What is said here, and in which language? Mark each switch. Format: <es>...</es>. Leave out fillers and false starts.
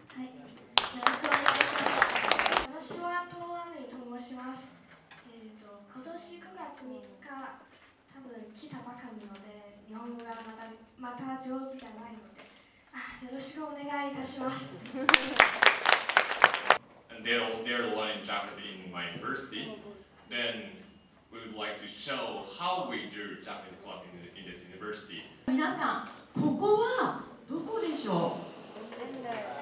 <ja>はい、よろしくお願いします。私は東亜美と申します。今年9月3日来たばかりので日本語がまた上手じゃないので、よろしくお願いいたします。</ja> <en>And they're learning Japanese in my university. Then we would like to show how we do Japanese class in this university.</en> <ja>皆さん、ここはどこでしょう？</ja>